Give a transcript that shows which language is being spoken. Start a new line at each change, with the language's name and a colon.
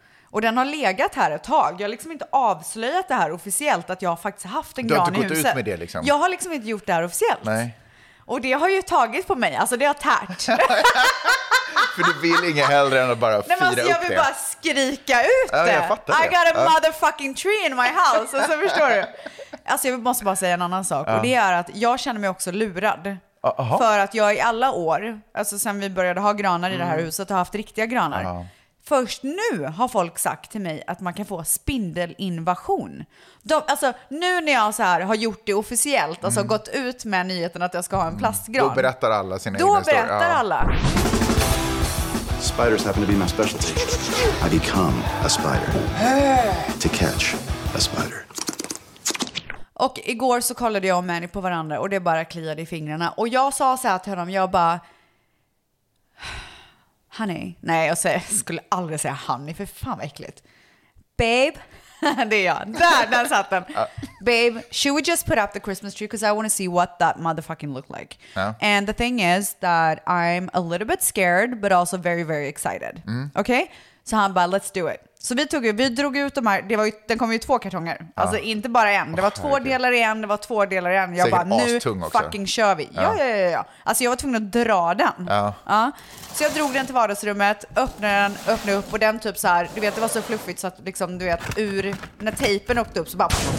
Swedish: Och den har legat här ett tag. Jag har liksom inte avslöjat det här officiellt, att jag har faktiskt haft en gran i huset. Du har inte gått ut med det liksom? Jag har liksom inte gjort det här officiellt. Nej. Och det har ju tagit på mig. Alltså det har tärt. För du vill inget hellre än att bara fira upp det. Nej men alltså, jag vill bara skrika ut det. Ja, jag fattar det.
English: I got a motherfucking tree in my house.
Swedish: Alltså förstår du? Alltså jag måste bara säga en annan sak. Och det är att jag känner mig också lurad. För att jag i alla år, alltså sen vi började ha granar i det här huset, har haft riktiga granar. Först nu har folk sagt till mig att man kan få spindelinvasion. Alltså nu när jag så här har gjort det officiellt, alltså gått ut med nyheten att jag ska ha en plastgran. Då berättar alla sina egna historier. Alla.
English: Spiders happen to be my specialty. I become a spider. To catch a spider.
Swedish: Och igår så kollade jag och Manny på varandra och det bara kliade i fingrarna. Och jag sa så här till honom, jag bara... Honey. Nej, jag skulle aldrig säga honey, för fan vad äckligt. Babe, det är jag. Där satt den.
English: Babe, should we just put up the Christmas tree? Because I want to see what that motherfucking look like. And the thing is that I'm a little bit scared, but also very, very excited. Okay?
Swedish: Så han bara,
English: let's do it.
Swedish: Så vi drog ut de här, den kom ju två kartonger. Alltså inte bara en, det var två delar i en, det var två delar i en. Jag säkert bara, nu fucking kör vi. Ja. Alltså jag var tvungen att dra den. Så jag drog den till vardagsrummet, öppnade upp och den typ så här, du vet det var så fluffigt så att liksom, du vet, ur när tejpen åkte upp så bara...